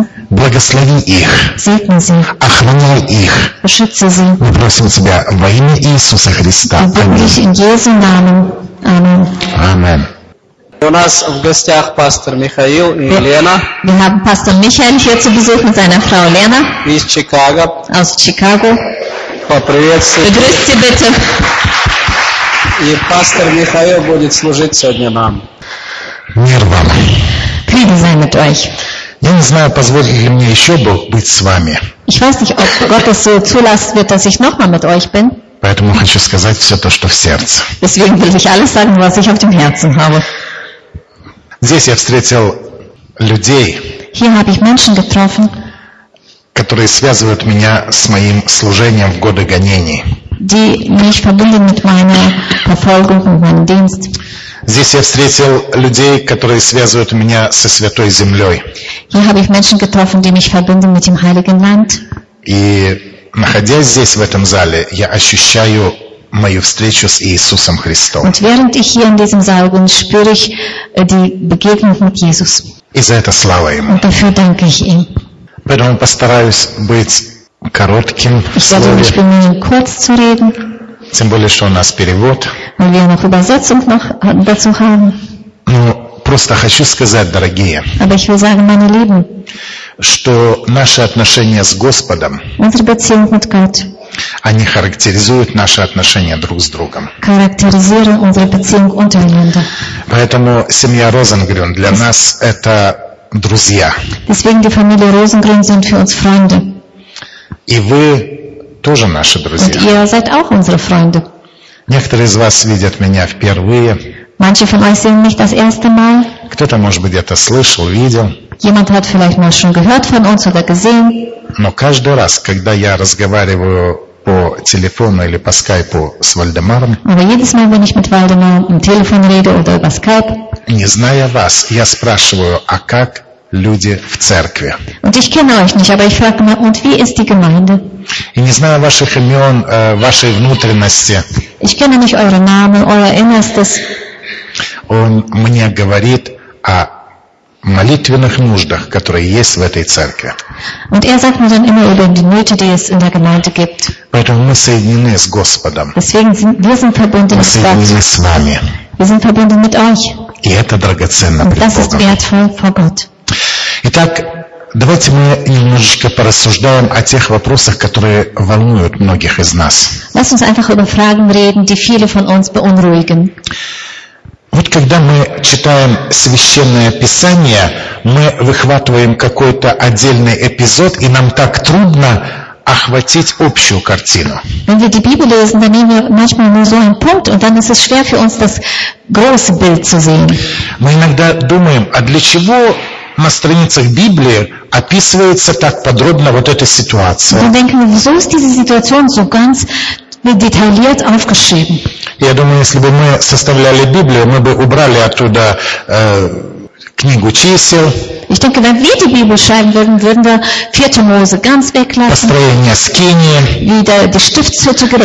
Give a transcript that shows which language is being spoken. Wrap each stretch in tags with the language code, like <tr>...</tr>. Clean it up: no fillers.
<ru>Благослови их. Охраняй их. Мы просим Тебя во имя Иисуса Христа. Аминь. У нас в гостях пастор Михаил и Лена. Мы имеем пастор</ru> <de>Михаил hier zu Besuch mit seiner Frau Lena.</de> <ru>Из Чикаго.</ru> <de>Aus Chicago.</de> <ru>Поприветствуйте.</ru> <de>Begrüßte bitte.</de> <ru>И пастор Михаил будет служить сегодня нам. Мир вам.</ru> <de>Friede sei mit euch.</de> <ru>Я не знаю, позволит ли мне еще Бог быть с вами.</ru> <de>Ich weiß nicht, ob Gott es so zulassen wird, dass ich nochmal mit euch bin.</de> <ru>Поэтому хочу сказать все то, что в сердце.</ru> <de>Deswegen will ich alles sagen, was ich auf dem Herzen habe.</de> <ru>Здесь я встретил людей,</ru> <de>Hier habe ich Menschen getroffen,</de> <ru>которые связывают меня с моим служением в годы гонений.</ru> <de>die mich verbinden mit meiner Verfolgung und meinem Dienst.</de> <ru>Здесь я встретил людей, которые связывают меня со Святой Землей.</ru> <de>Hier habe ich Menschen getroffen, die mich verbinden mit dem Heiligen Land.</de> <ru>И находясь здесь, в этом зале, я ощущаю мою встречу с Иисусом Христом.</ru> <de>Und während ich hier in diesem Saal bin, spüre ich die Begegnung mit Jesus.</de> <ru>И за это слава Ему.</ru> <de>Und dafür danke ich ihm.</de> <ru>Поэтому постараюсь быть коротким в слове.</ru> <de>Ich werde mich bemühen, kurz zu reden.</de> <ru>Тем более, что у нас перевод.</ru> <de>Weil wir noch Übersetzung noch dazu haben.</de> <ru>Ну, просто хочу сказать, дорогие,</ru> <de>aber ich will sagen, meine Lieben,</de> <ru>что наши отношения с Господом,</ru> <de>unsere Beziehung mit Gott,</de> <ru>они характеризуют наши отношения друг с другом.</ru> <de>Charakterisieren unsere Beziehung untereinander.</de> <ru>Поэтому семья Розенгрен для нас это друзья.</ru> <de>Deswegen die Familie Rosengren sind für uns Freunde.</de> <ru>И вы тоже наши друзья.</ru> <de>Und ihr seid auch unsere Freunde.</de> <ru>Некоторые из вас видят меня впервые.</ru> <de>Manche von euch sehen mich das erste Mal.</de> <ru>Кто-то, может быть, где-то слышал, видел.</ru> <de>Jemand hat vielleicht mal schon gehört von uns oder gesehen.</de> <ru>Но каждый раз, когда я разговариваю по телефону или по скайпу с Вальдемаром,</ru> <de>aber jedes Mal, wenn ich mit Waldemar im Telefon rede oder über Skype,</de> <ru>не зная вас, я спрашиваю, а как люди в церкви?</ru> <de>Und ich kenne euch nicht, aber ich frage mal, und wie ist die Gemeinde?</de> <ru>И не знаю ваших имен, вашей внутренности.</ru> <de>Ich kenne nicht eure Namen, euer Innerstes.</de> <ru>Он мне говорит о молитвенных нуждах, которые есть в этой церкви.</ru> <de>Und er sagt mir dann immer über die Nöte, die es in der Gemeinde gibt.</de> <ru>Поэтому мы соединены с Господом.</ru> <de>Deswegen wir sind verbunden mit Gott.</de> <ru>Мы соединены с вами.</ru> <de>Wir sind verbunden mit euch.</de> <ru>И это драгоценно пред Богом.</ru> <de>Und das ist wertvoll vor Gott.</de> <ru>Итак, давайте мы немножечко порассуждаем о тех вопросах, которые волнуют многих из нас.</ru> <de>Lass uns einfach über Fragen reden, die viele von uns beunruhigen.</de> <ru>Вот когда мы читаем Священное Писание, мы выхватываем какой-то отдельный эпизод, и нам так трудно охватить общую картину.</ru> <de>Wenn wir die Bibel lesen, dann nehmen wir manchmal nur so einen Punkt, und dann ist es schwer für uns, das große Bild zu sehen.</de> <ru>Мы иногда думаем, а для чего на страницах Библии описывается так подробно вот эта ситуация?</ru> <de>Wir denken, wieso ist diese Situation so ganz detailliert aufgeschrieben?</de> <ru>Я думаю, если бы мы составляли Библию, мы бы убрали оттуда книгу чисел.</ru> <de>Ich denke, wenn wir die Bibel schreiben würden, würden wir 4. Mose ganz weglassen.</de> <ru>Построение скинии.</ru> <de>Wie die Stiftshütte gebaut</de>